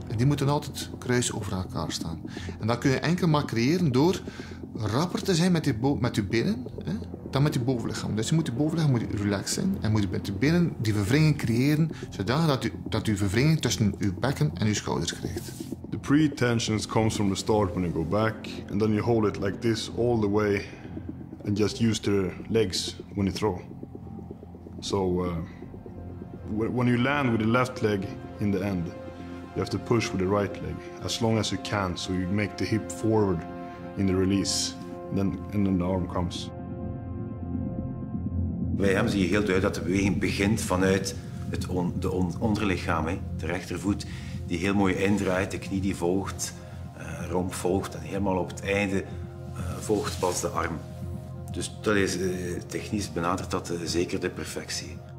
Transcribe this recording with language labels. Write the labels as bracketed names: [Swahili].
[Dutch] En die moeten altijd kruis over elkaar staan. En dat kun je enkel maar creëren door rapper te zijn met je benen, hè, dan met je bovenlichaam. Dus je moet je bovenlichaam moet relaxed zijn en moet je met je benen die vervringing creëren zodat dat je vervringing tussen je bekken en je schouders krijgt. [English] The pre-tension comes from the start when you go back and then you hold it like this all the way and just use the legs when you throw. So when you land with the left leg in the end, you have to push with the right leg as long as you can, so you make the hip forward in the release, and then the arm comes. [Dutch] Bij hem zie je heel duidelijk dat de beweging begint vanuit het onderlichaam, hè. De rechtervoet die heel mooi indraait, de knie die volgt, romp volgt en helemaal op het einde volgt pas de arm. Dus dat is technisch benaderd dat zeker de perfectie.